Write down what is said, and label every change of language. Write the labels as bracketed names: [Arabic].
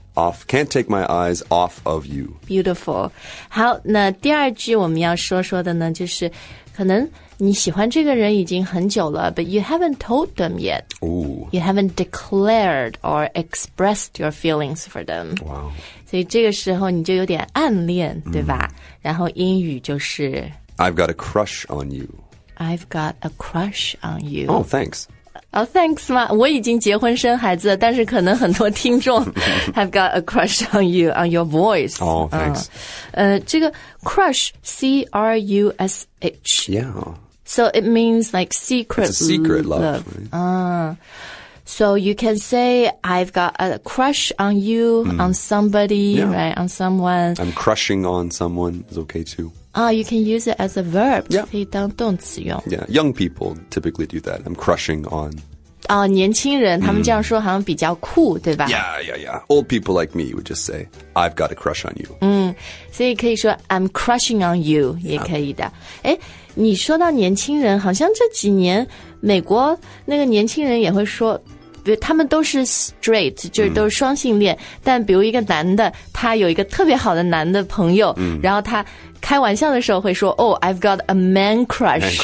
[English] Off, can't take my eyes off of you [Chinese] Beautiful 好那第二句我们要说说的呢就是可能你喜欢这个人已经很久了 [English] But you haven't told them yet、 Ooh. You haven't declared or expressed your feelings for them Wow [Chinese] 所以这个时候你就有点暗恋、mm. 对吧然后英语就是 [English] I've got a crush on you. I've got a crush on you. Oh, thanks. Oh, thanks, [Chinese] 嘛我已经结婚生孩子了但是可能很多听众 [English] I've got a crush on you, on your voice. Oh, thanks. [Chinese] 这个 crush, C-R-U-S-H. [English] Yeah. So it means like secret love. It's a secret love. Love.、So you can say, I've got a crush on you,、mm. on somebody,、 yeah. right, on someone. I'm crushing on someone is okay too. You can use it as a verb. Yeah. [Chinese] 可以当动词用。 [English] Yeah, young people typically do that. I'm crushing on. [Chinese] 年轻人、mm. 他们这样说好像比较酷对吧 [English] Yeah, yeah, yeah. Old people like me would just say, I've got a crush on you.、 Mm. [Chinese] 所以可以说 [English] I'm crushing on you,、 yeah. [Chinese] 也可以的。诶你说到年轻人好像这几年美国那个年轻人也会说他们都是 straight 就是都是双性恋、嗯、但比如一个男的他有一个特别好的男的朋友、嗯、然后他开玩笑的时候会说 [English] Oh, I've got a man crush,